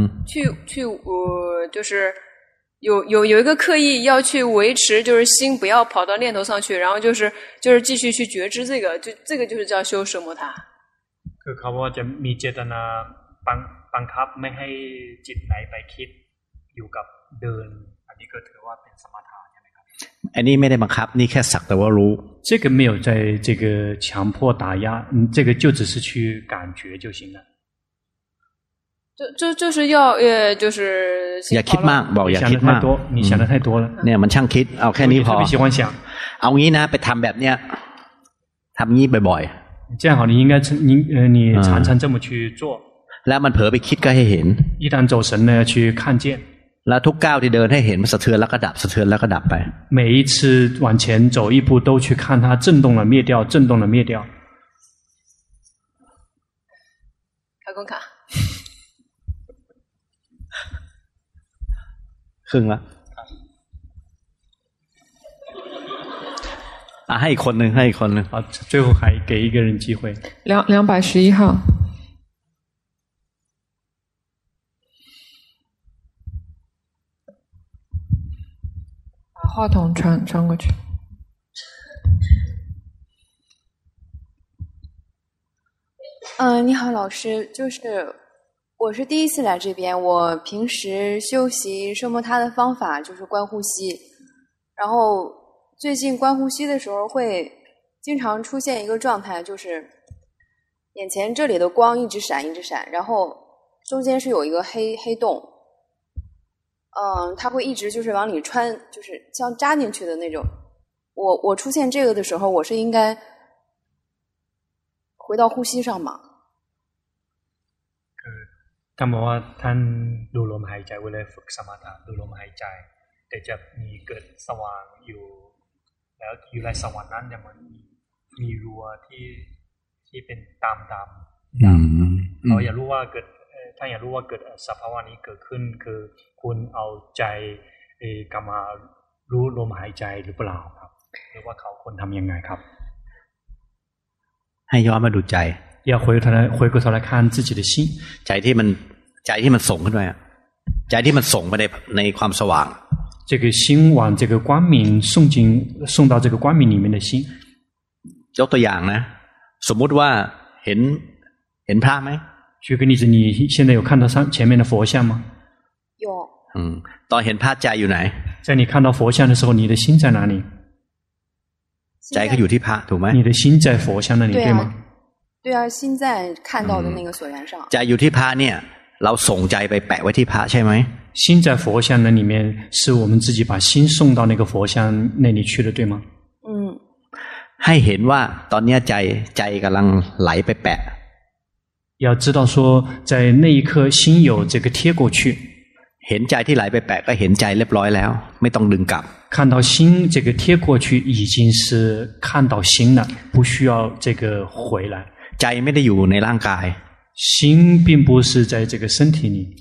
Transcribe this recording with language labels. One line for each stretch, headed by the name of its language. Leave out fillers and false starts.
Chinese: 去就是有一个刻意要去维持就是心不要跑到念头上去然后就是继续去觉知这个就这个就是叫修奢摩他
Thai: คือเขาว่าจะมีเจตนาบังคับไม่ให้จิตไหลไปคิดอยู่กับเดินอันนี้ก็ถือว่าเป็นสมถะใช่ไหมครับ อันนี้ไม่ได้บังคับนี่แค่สักแต่ว่ารู้
Chinese: 这个没有在这个强迫打压这个就只是去感觉就行了就是要就是
Thai: อย่าคิดมากบอกอย่าคิดมาก
Chinese: นี่想得太多了
Thai: เนี่ยมันช่างคิดเอาแค่นี้พอ
Chinese: 特别喜欢想
Thai: เอางี้นะไปทำแบบเนี้ยทำงี้บ่อย
Chinese: ๆ这样好你应该你常常这么去做
Thai: แล้วมันเผลอไปคิดก็ให้เห็น
Chinese: 一旦走神呢去看见
Thai: แล้วทุกก้าวที่เดินให้เห็นมันสะเทือนแล้วก็ดับสะเทือนแล้วก็ดับไป
Chinese: 每一次往前走一步都去看它震动了灭掉震动了灭掉开工卡
Thai: ครึ่งละให้อีกคนหนึ่งให้อีกคนหนึ่ง
Chinese: เอา最后还给一个人机会 211号把话筒传过去你好老师就是我是第一次来这边我平时修习奢摩他的方法就是观呼吸然后最近观呼吸的时候会经常出现一个状态就是眼前这里的光一直闪一直闪然后中间是有一个黑洞它会一直就是往里穿就是像扎进去的那种我出现这个的时候我是应该回到呼吸上吗
Thai: คำว่าท่านดูลมหายใจไว้เลยฝึกสมาธิดูลมหายใจแต่จะมีเกิดสว่างอยู่แล้วอยู่ในสว่างนั้นจะมีรัวที่เป็นตามดำเราอยากรู้ว่าเกิดท่านอยากรู้ว่าเกิดสภาวะนี้เกิดขึ้นคือคุณเอาใจกลับมารู้ลมหายใจหรือเปล่าครับหรือว่าเขาควรทำยังไงครับ ให้ย้อนมาดูใจ
Chinese: 要回过头来看自己的心
Thai: ใจที่มันส่งขึ้นไปใจที่มันส่งไปในความสว่าง
Chinese: 这个心往这个光明送到这个光明里面的心
Thai: ยกตัวอย่างนะสมมติว่าเห็นพระไหม
Chinese: 举个例子你现在有看到前面的佛像吗有
Thai: ตอนเห็นพระใจอยู่ไหน
Chinese: 在你看到佛像的时候你的心在哪里
Thai: ใจก็อยู่ที่พระถูกไหม
Chinese: 你的心在佛像那里对吗对啊心在看到的那个所缘上
Thai: ใจอยู่ที่พระเนี่ยเราส่งใจไปแปะไว้ที่พระใช่ไหม
Chinese: 心在佛像那里面是我们自己把心送到那个佛像那里去了对吗
Thai: ให้เห็นว่าตอนนี้ใจกำลังไหลไปแปะ
Chinese: 要知道说在那一刻心有这个贴过去
Thai: เห็นใจที่ไหลไปแปะก็เห็นใจเรียบร้อยแล้วไม่ต้องดึงกลับ
Chinese: 看到心这个贴过去已经是看到心了不需要这个回来
Thai: ใจไม่ได้อยู่ในร่างกาย
Chinese: 心并不是在这个身体里